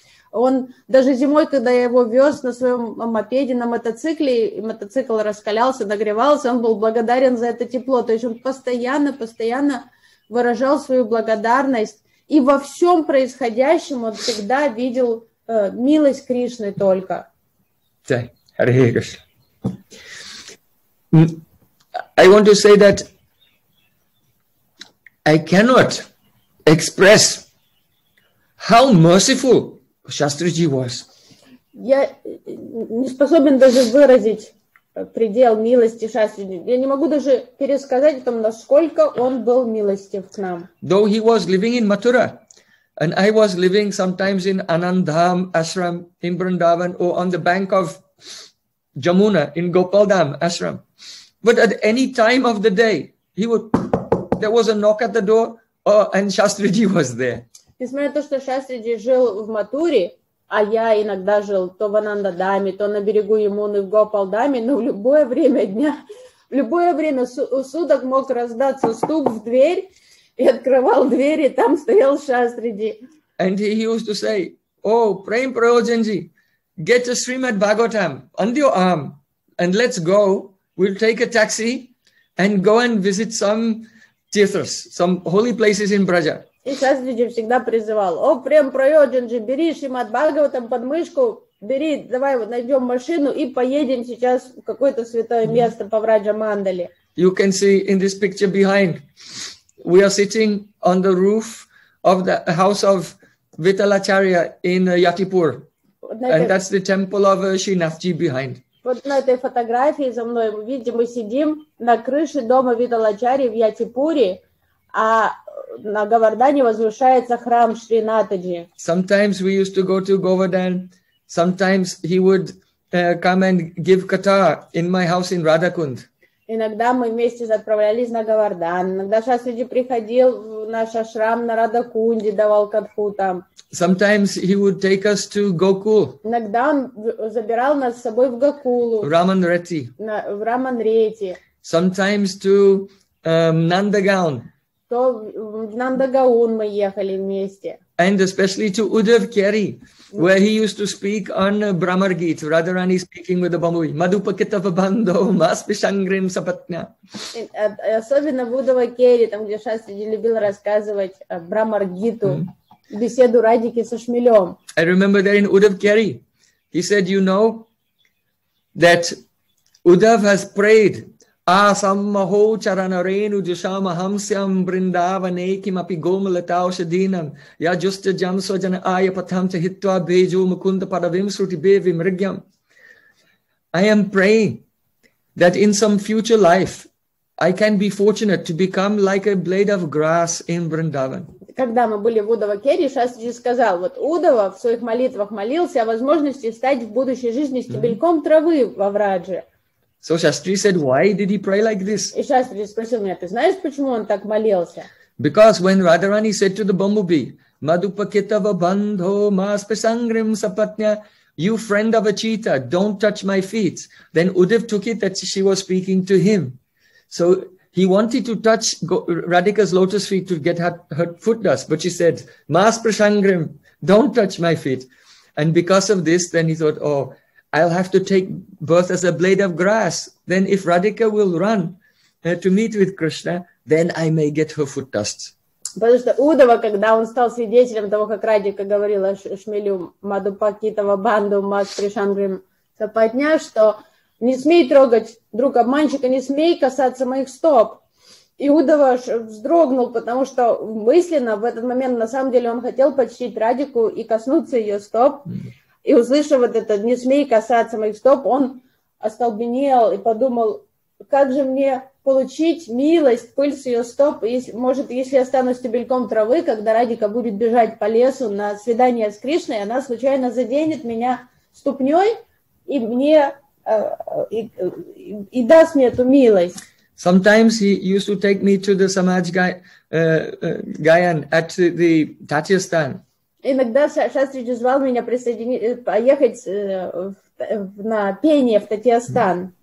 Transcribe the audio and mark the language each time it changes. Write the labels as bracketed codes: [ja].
[ru] Он даже зимой, когда я его вез на своем мопеде, на мотоцикле, и мотоцикл раскалялся, нагревался, он был благодарен за это тепло. То есть он постоянно выражал свою благодарность. И во всем происходящем он всегда видел милость Кришны только. Да, Харе Кришна. [en] I want to say that I cannot express how merciful Shastriji was. [ru] Я не способен даже выразить предел милости Шастриджи. Я не могу даже пересказать о том, насколько он был милостив к нам. [en] Though he was living in Mathura, and I was living sometimes in Anandham Ashram in Vrindavan or on the bank of Jamuna in Gopaldham Ashram. But at any time of the day, there was a knock at the door, and Shastriji was there. [ru] Несмотря на то, что Шастриджи жил в Матуре, а я иногда жил то в Анандадаме, то на берегу Ямуны в Гопалдаме, но в любое время дня, в любое время суток мог раздаться стук в дверь, и открывал дверь, и там стоял Шастриджи. [en] And he used to say, "Oh, Prem Prayojanji, get a Srimad Bhagavatam on your arm, and let's go, we'll take a taxi, and go and visit some tithers, some holy places in Braja." [ru] И Шастриджи всегда призывал, о, Прем Прайоджанджи, бери Шримад Бхагаватам под мышку, бери, давай вот найдем машину и поедем сейчас в какое-то святое место по Враджа Мандали. [en] You can see in this picture behind, we are sitting on the roof of the house of Vitalacharya in Yatipur. And that's the temple of Shinathji behind. [ru] Вот на этой фотографии за мной мы видим, мы сидим на крыше дома Виталачарьи в Ятипуре, а на Говардане возвышается храм Шринатаджи. [en] Sometimes we used to go to Govardhan. Sometimes he would come and give katha in my house in Radhakund. [ru] Иногда мы вместе отправлялись на Говардан. Иногда Шастриджи приходил в наш ашрам на Радакунде, давал катху там. [en] Sometimes he would take us to Gokul. [ru] Иногда он забирал нас с собой в Гокулу. В Раманрети. [en] Sometimes to Nandagaon. [ru] То в Нандагаун мы ехали вместе. [en] And especially to Uddhav Keri, where he used to speak on Brahmar Geet, Radharani speaking with the Bambui. [sa] Madhupakita Vabandho, Maspishangrim Sapatna. [ru] Особенно в Uddhava Keri, там, где Шастриджи любил рассказывать Брамар Гиту, беседу Радики со Шмелем. [en] I remember that in Uddhav Keri, he said, you know, that Uddhav has prayed, [sa] Asammaho charanarenu jushama hamsyam brindavane kimapi gomalatao shadinam ya justa jamso jana ayapatham tahitva beju mukunda padavim sruti bevim rigyam. [en] I am praying that in some future life I can be fortunate to become like a blade of grass in Vrindavan. [ru] Когда мы были в Uddhava Keri, Шастриджи сказал, вот Удава в своих молитвах молился о возможности стать в будущей жизни стебельком травы во Врадже. [en] So Shastri said, why did he pray like this? [ru] И Шастриджи спросил меня, ты знаешь, почему он так молился? [en] Because when Radharani said to the Bumblebee, [sa] Madhupaketava Bandho Maspasangrim Sapatnya, [en] you friend of a cheetah, don't touch my feet. Then Uddhav took it that she was speaking to him. So he wanted to touch Radhika's lotus feet to get her foot dust. But she said, Maspasangrim, don't touch my feet. And because of this, then he thought, oh, I'll have to take birth as a blade of grass. Then if Radhika will run to meet with Krishna, then I may get her foot dust. [ru] Потому что Удава, когда он стал свидетелем того, как Радика говорила Шмелю [sa] Мадхупакитова Банду Маспришангрим Сапатня, [ru] что не смей трогать друг обманщика, не смей касаться моих стоп. И Удава вздрогнул, потому что мысленно в этот момент на самом деле он хотел почтить Радику и коснуться ее стоп. И услышав вот это «не смей касаться моих стоп», он остолбенел и подумал, как же мне получить милость, пыль с ее стоп, если я стану стебельком травы, когда Радика будет бежать по лесу на свидание с Кришной, она случайно заденет меня ступней и мне и даст мне эту милость. [en] Sometimes he used to take me to the Samaj Gayan at the Tatyastan. [ru] Иногда Шастриджи звал меня поехать на пение в Татьястан.